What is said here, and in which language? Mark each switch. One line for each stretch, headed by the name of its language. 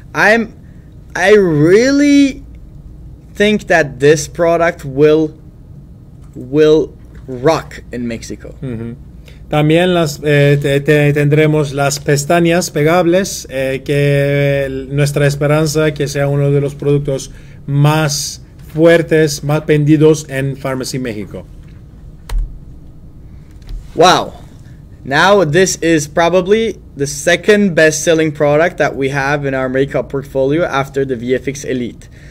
English: I really think that this product will rock in Mexico. Mm-hmm.
Spanish: También las tendremos las pestañas pegables que nuestra esperanza que sea uno de los productos más fuertes, más vendidos en Farmasi México. Wow.
English: Now this is probably the second best-selling product that we have in our makeup portfolio after the VFX Elite.